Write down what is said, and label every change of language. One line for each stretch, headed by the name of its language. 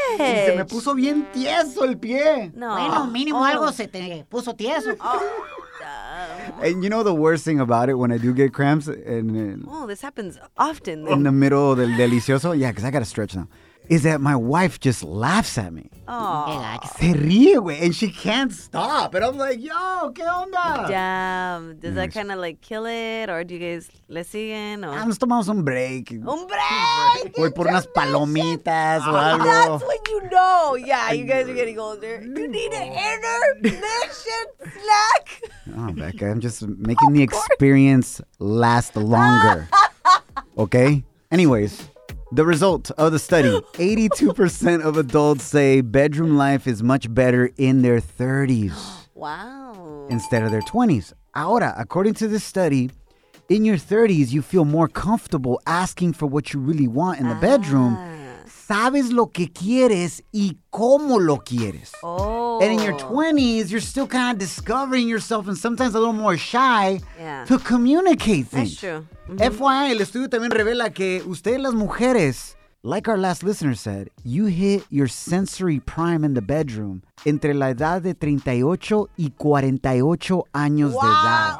Spanish: Y se me puso bien tieso el pie. No. Bueno, mínimo algo se te puso tieso.
English: And you know the worst thing about it when I do get cramps? This happens often. In the middle
Spanish: del delicioso?
English: Yeah, because I got to stretch now. Is that my wife just laughs at me. Oh.
Spanish: Se ríe, güey.
English: And she can't stop. And I'm like, yo,
Spanish: ¿qué onda?
English: Damn. Does that kind of like kill it? Or do you guys
Spanish: le siguen? Nos tomamos un break. ¡Un break! Voy por unas palomitas o algo.
English: That's when you know. Yeah, you guys are getting older. You need an intermission snack. Oh, Becca, I'm just making the experience last longer. Okay? Anyways. The result of the study, 82% of adults say bedroom life is much better in their 30s. Wow. Instead of their 20s.
Spanish: Ahora,
English: according to this study, in your 30s, you feel more comfortable asking for what you really want in the bedroom.
Spanish: Sabes lo que quieres y cómo lo quieres. Oh.
English: And in your 20s, you're still kind of discovering yourself and sometimes a little more shy to communicate things. That's true. Mm-hmm. FYI,
Spanish: el estudio también revela que ustedes las mujeres,
English: like our last listener said, you hit your sensory prime in the bedroom
Spanish: entre la edad de 38 y 48 años de edad.